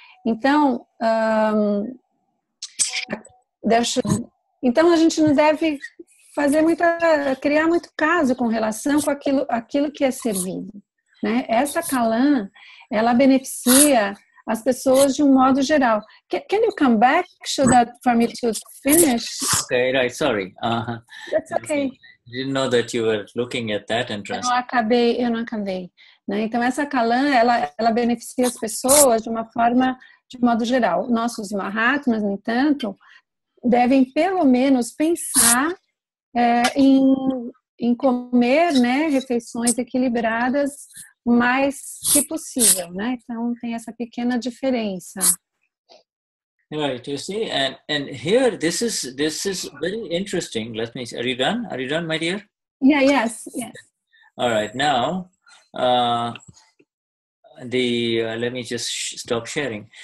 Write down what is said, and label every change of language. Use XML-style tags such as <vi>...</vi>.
<pt>Então, então a gente não deve fazer muita, criar muito caso com relação com aquilo, aquilo que é servido. Né? Essa Kalam, ela beneficia as pessoas de um modo geral.</pt> <en>Can you come back, Shuddha, for me to finish? Okay, right, sorry. That's okay. Didn't know that you were looking at that interest.</en> <pt>Eu não acabei. Né? Então, essa Kalam, ela beneficia as pessoas de uma forma, de modo geral. Nossos Mahatmas, no entanto, devem pelo menos pensar em comer, né, refeições equilibradas o mais que possível, né? Então, tem essa pequena diferença.</pt> <en>Right, you see, and here this is very interesting. Let me see. Are you done, my dear? Yes. All right, now let me just stop sharing.</en>